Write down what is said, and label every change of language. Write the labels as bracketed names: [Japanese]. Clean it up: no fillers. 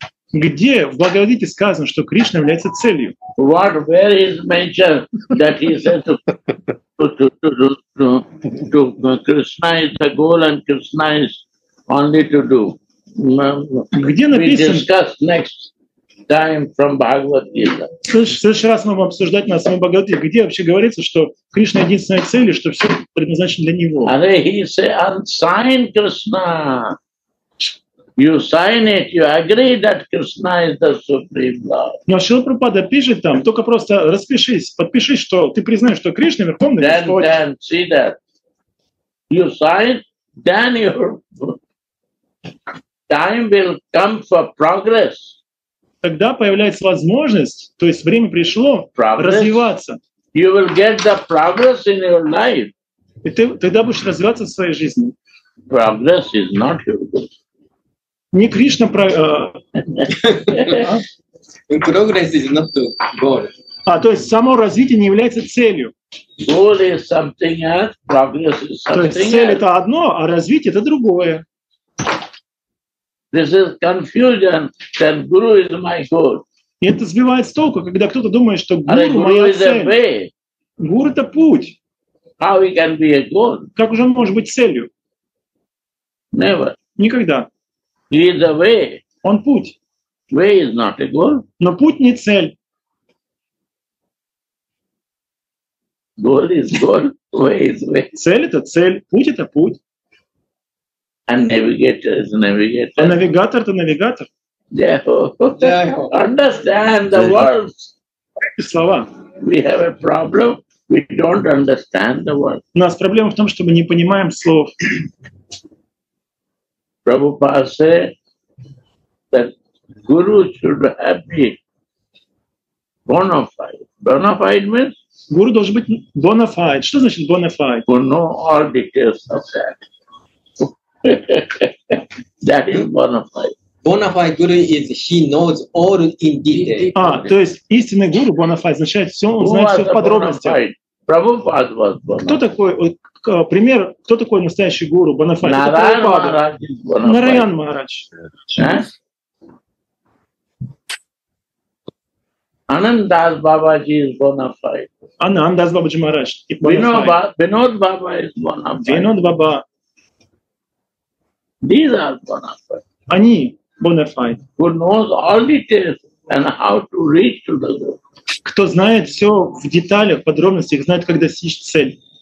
[Russian] Где в Бхагавад-гите сказано, что Кришна является целью? [English] What, where is mentioned that he said to Krishna is the goal and Krishna is only to do? [Russian] Где написано? [English] We discuss next time from Bhagavad-gita. [Russian] Следующий раз мы будем обсуждать на самом Бхагавад-гите, где вообще говорится, что Кришна единственная цель и что все предназначено для него? [English] And he said, unsigned Krishna. You sign it, you agree that Krishna is the supreme lord. [Russian] Но Шрила Прабхупада пишет там, только просто распишись, подпишись, что ты признаешь, что Кришна верховный Господь. [English] Then see that. You sign, then your time will come for progress. [Russian] Тогда появляется возможность, то есть время пришло развиваться. [English] You will get the progress in your life. [Russian] И ты тогда будешь развиваться в своей жизни. [English] Progress is not your goal. [Russian] Не Кришна про. [English] Progress is not the goal. [Russian] А то есть само развитие не является целью. [English] Goal is something else, progress is something else. [Russian] То есть цель это одно, а развитие это другое. [English] This is confusion that guru is my goal. [Russian] И это сбивает с толку, когда кто-то думает, что гуру моя цель. Гуру это путь. [English] How he can be a goal? [Russian] Как уже он может быть целью? [English] Never. [Russian] Никогда. [English] He is a way. [Russian] Он путь. [English] Way is not a goal. [Russian] Но путь не цель. [English] Goal is goal. Way is way. [Russian] Цель это цель. Путь это путь. [English] And navigator is navigator. [Russian] А навигатор это навигатор. [English] Therefore, understand the words. [Russian] Слова. [English] We have a problem. We don't understand the words. [Russian] У нас проблема в том, что мы не понимаем слов. [English] Prabhupada said that guru should have been bona fide. Bona fide means? [Russian] Guru должен быть bona fide. Что значит bona fide? [English] To know all details of that. That is bona fide. Bona fide guru is he knows all in detail. [Russian] А, то есть истинный гуру bona fide означает все, он знает все в подробностях. [English] Prabhupada was bona fide. [Russian] Кто такой, пример, кто такой настоящий гуру bona fide? Нараян Махарадж. Нараян Махарадж. [English] Анандас Бабаджи is bona fide. [Russian] Анандас Бабаджи Махарадж. [English] Бинод Баба is bona fide. [Russian] Бинод Баба. [English] These are bona fide. [Russian] Они. Bona fide. [English] Who knows all details and how to reach to the goal. [Russian] Кто знает все в деталях, подробностях, знает, как достичь цели.